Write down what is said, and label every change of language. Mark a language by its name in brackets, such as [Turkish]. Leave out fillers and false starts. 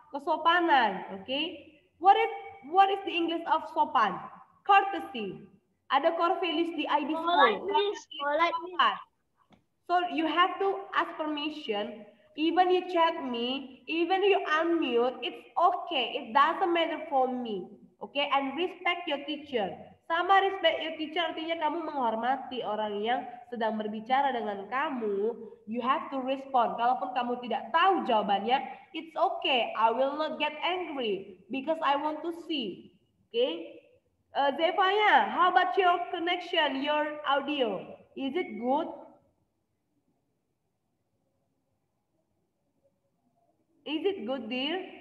[English] Kesopanan, okay? What is the English of sopan? Courtesy. [Indonesian] Ada core values di IB school. [English] Politeness. So you have to ask permission. Even you chat me, even you unmute, it's okay. It doesn't matter for me. Okay? And respect your teacher. [Indonesian] Sama [English] respect your teacher [Indonesian] artinya kamu menghormati orang yang sedang berbicara dengan kamu. [English] You have to respond. [Indonesian] Kalaupun kamu tidak tahu jawabannya, [English] it's okay. I will not get angry because I want to see. Okay? Zephania, how about your connection, your audio? Is it good? Is it good, dear?